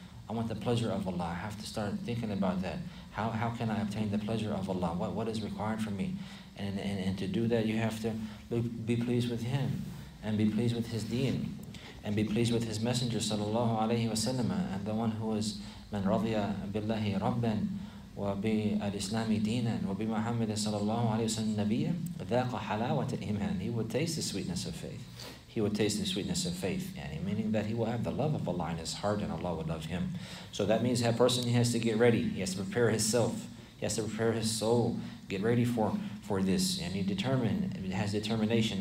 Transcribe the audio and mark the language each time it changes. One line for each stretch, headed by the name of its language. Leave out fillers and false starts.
English: I want the pleasure of Allah. I have to start thinking about that. How can I obtain the pleasure of Allah? What is required from me? And to do that, you have to be pleased with Him and be pleased with His deen. And be pleased with His Messenger, sallallahu alaihi wasallam, and the one who is
Arabic: man radiya billahi rabban وبالإسلام دينا وبمحمد صلى الله عليه وسلم نبيا ذاق حلاوة الإيمان.
English: He would taste the sweetness of faith. He would taste the sweetness of faith, yani meaning that he will have the love of Allah in his heart and Allah would love him. So that means that person, he has to get ready. He has to prepare himself. He has to prepare his soul. Get ready for this. And he has determination.